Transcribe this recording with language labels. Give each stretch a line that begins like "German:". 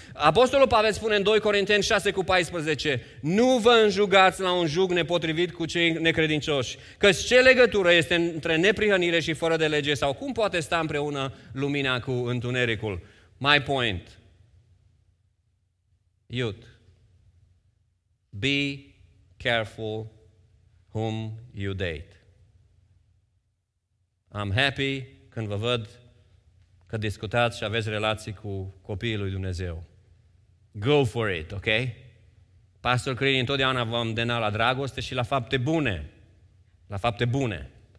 Romanian: Apostolul Pavel spune în 2 Corinteni 6:14, nu vă înjugați la un jug nepotrivit cu cei necredincioși, căci ce legătură este între neprihănire și fără de lege, sau cum poate sta împreună lumina cu întunericul?
English: My point. Youth. Be careful whom you date. I'm happy
Romanian: când vă văd că discutați și aveți relații cu copiii lui Dumnezeu.
English: Go for it, ok?
Romanian: Pastor Crini, întotdeauna vă îndemna la dragoste și la fapte bune. La fapte bune.